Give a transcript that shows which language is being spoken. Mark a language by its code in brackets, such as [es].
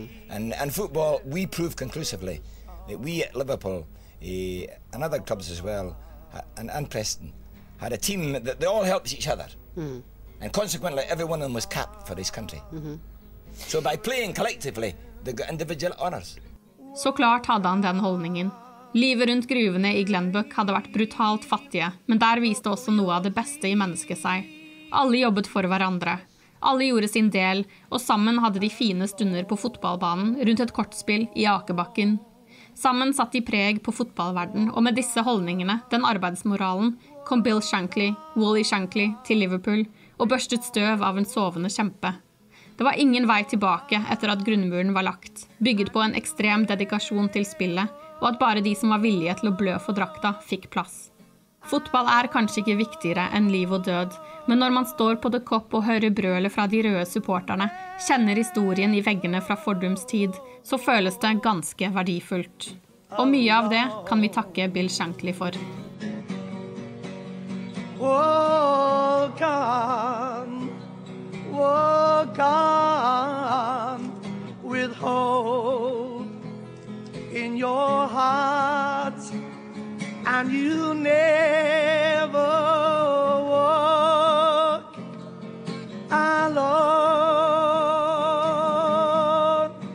[en] And football, we prove conclusively that we at Liverpool, and other clubs as well, and Preston, had a team that they all helped each other. And consequently, every one of them was capped for this country. So by playing collectively, they got individual honours. [no] Så klart hadde han den holdningen. Livet rundt gruvene i Glenbuck hadde vært brutalt fattige, men der viste også noe av det beste i mennesket seg. Alle jobbet for hverandre. Alle gjorde sin del, og sammen hadde de fine stunder på fotballbanen, rundt et kortspill i Akebakken. Sammen satt de preg på fotballverden, og med disse holdningene, den arbeidsmoralen, kom Bill Shankly, Wally Shankly, til Liverpool, og børstet støv av en sovende kjempe. Det var ingen vei tilbake etter at grunnmuren var lagt, bygget på en ekstrem dedikasjon til spillet, og at bare de som var villige til å blø for drakta fikk plass. Fotball er kanskje ikke viktigere enn liv og død, men når man står på The Kop og hører brølet fra de røde supporterne, kjenner historien i veggene fra fordums tid, så føles det ganske verdifullt. Og mye av det kan vi takke Bill Shankly for. [en] Walk on, walk on with hope in your heart, and you never walk alone.